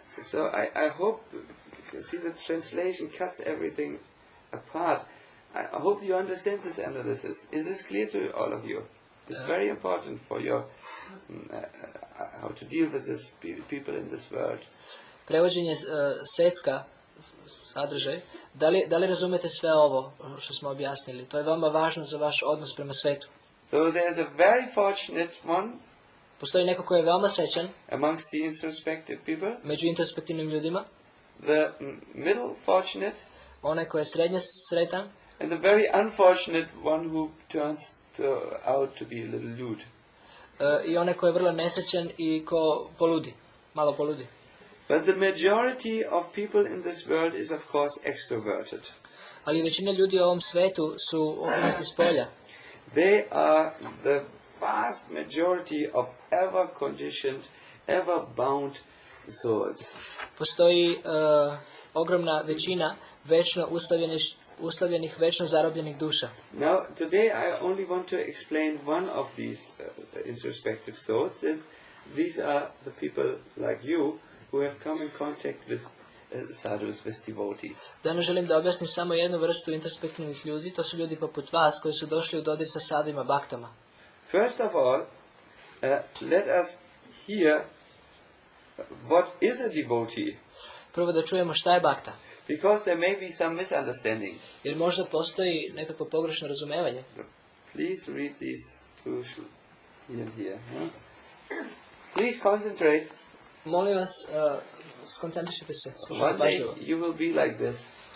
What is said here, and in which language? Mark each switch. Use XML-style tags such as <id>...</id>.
<en>So I hope you see the translation cuts everything apart. I hope you understand this analysis. Is this clear to all of you? It's very important for your how to deal with this people in this world.</en> <sr>Prevođenje svetska sadržaj. Da li razumete sve ovo što smo objasnili? To je veoma važno za vaš odnos prema svetu.</sr> <en>So there's a very fortunate one.</en> <sr>Postoji neko ko je veoma srećan.</sr> <en>Amongst the introspective people.</en> <sr>Među introspektivnim ljudima.</sr> <en>The middle fortunate.</en> <sr>Onaj ko je srednje sretan.</sr> <en>And the very unfortunate one who turns out to be a little lewd.</en> <sr>I onaj ko je vrlo nesrećan i ko poludi. Malo poludi.</sr> <en>But the majority of people in this world is of course extroverted.</en> <sr>Ali većina ljudi u ovom svetu su okrenuti spolja.</sr> <en>They are the vast majority of ever conditioned, ever bound souls.</en> <sr>Postoji ogromna većina večno uslovljenih, večno zarobljenih duša.</sr> <en>Now, today I only want to explain one of these introspective souls, and these are the people like you, who have come in contact with sadhus, with devotees.</en> <sr>Danas želim da objasnim samo jednu vrstu introspektivnih ljudi, to su ljudi poput vas koji su došli u dodir sa sadhvima, bhaktama.</sr> <en>First of all, let us hear what is a devotee.</en> <sr>Prvo da čujemo šta je bhakta.</sr> <en>Because there may be some misunderstanding.</en> <sr>Jer možda postoji nekakvo pogrešno razumevanje.</sr> <en>Please read these two here. Please concentrate.</en> <sr>Molim vas, skoncentrišite se.</sr> <en>One day you will be like this.</en>